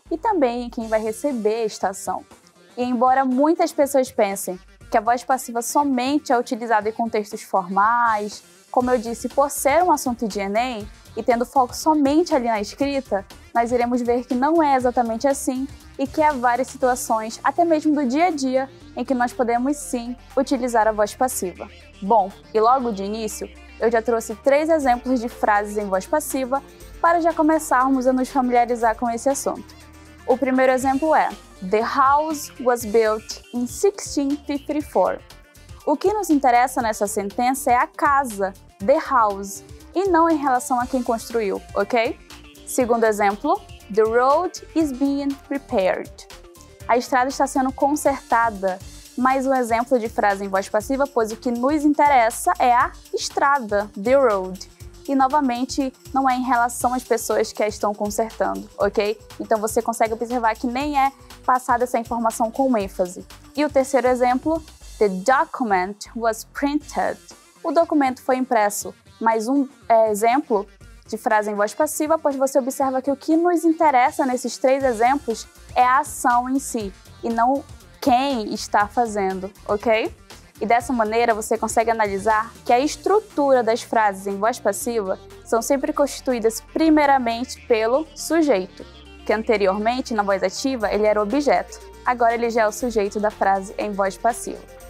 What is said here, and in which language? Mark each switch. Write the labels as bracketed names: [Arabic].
[Portuguese] E também em quem vai receber esta ação. E embora muitas pessoas pensem que a voz passiva somente é utilizada em contextos formais, como eu disse, por ser um assunto de Enem e tendo foco somente ali na escrita, nós iremos ver que não é exatamente assim e que há várias situações, até mesmo do dia a dia, em que nós podemos sim utilizar a voz passiva. Bom, e logo de início, eu já trouxe 3 exemplos de frases em voz passiva para já começarmos a nos familiarizar com esse assunto. O primeiro exemplo é: [English] The house was built in 1654. [Portuguese] O que nos interessa nessa sentença é a casa, [English] the house, [Portuguese] e não em relação a quem construiu, ok? Segundo exemplo: [English] The road is being repaired. [Portuguese] A estrada está sendo consertada. Mais um exemplo de frase em voz passiva, pois o que nos interessa é a estrada, [English] the road. [Portuguese] E novamente, não é em relação às pessoas que a estão consertando, ok? Então você consegue observar que nem é passada essa informação com ênfase. E o terceiro exemplo: [English] The document was printed. [Portuguese] O documento foi impresso. Mais um exemplo de frase em voz passiva, pois você observa que o que nos interessa nesses 3 exemplos é a ação em si, e não quem está fazendo, ok? E dessa maneira você consegue analisar que a estrutura das frases em voz passiva são sempre constituídas primeiramente pelo sujeito, que anteriormente na voz ativa ele era o objeto, agora ele já é o sujeito da frase em voz passiva.